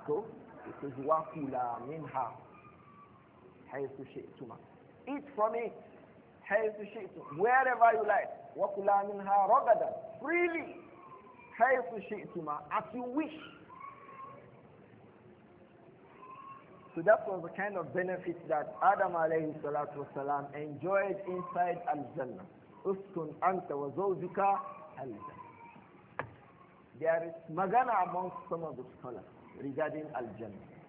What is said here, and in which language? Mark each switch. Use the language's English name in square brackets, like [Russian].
[Arabic] So, it says, وَكُلَا مِنْهَا حَيْثُ شِئْتُمَا. [English] Eat from it, حَيْثُ شِئْتُمَا, wherever you like. [Arabic] وَكُلَا مِنْهَا رَغَدًا, freely, حَيْثُ شِئْتُمَا, as you wish. [English] So that was the kind of benefit that Adam alayhi salatu wasalam enjoyed inside Al-Jannah. [Arabic] اسْكُنْ أَنْتَ وَزَوْجُكَ أَلْجَنَّةِ. [English] There is magana amongst some of the scholars regarding Al-Jannah.